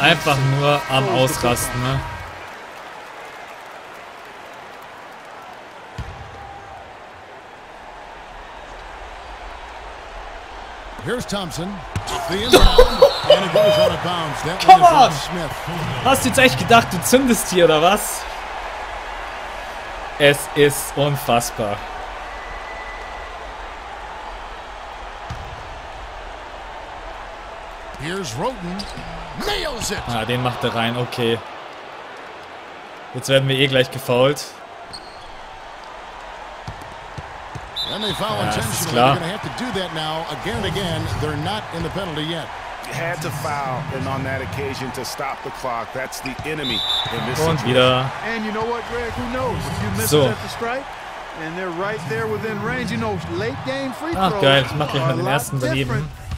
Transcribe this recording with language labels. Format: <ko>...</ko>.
<de>Einfach nur am Ausrasten, ne?</de> <en>Here's Thompson. The inbound, and it goes out of bounds. Come on!</en> <de>Hast du jetzt echt gedacht, du zündest hier, oder was? Es ist unfassbar.</de> <en>Here's Roten. Nails it.</en> <de>Ah, den macht er rein. Okay. Jetzt werden wir eh gleich gefoult. Ja, das ist klar.</de> <en>They have to do that now again and again. They're not in the penalty yet. Had to foul and on that occasion to stop the clock. That's the enemy in this.</en> <de>Und wieder.</de> <en>And you know what, Greg? Who knows? If you miss it at the strike. And they're right there within range. You know, late game free throw.</en> <de>Ach geil, ich mache mal den ersten daneben.</de>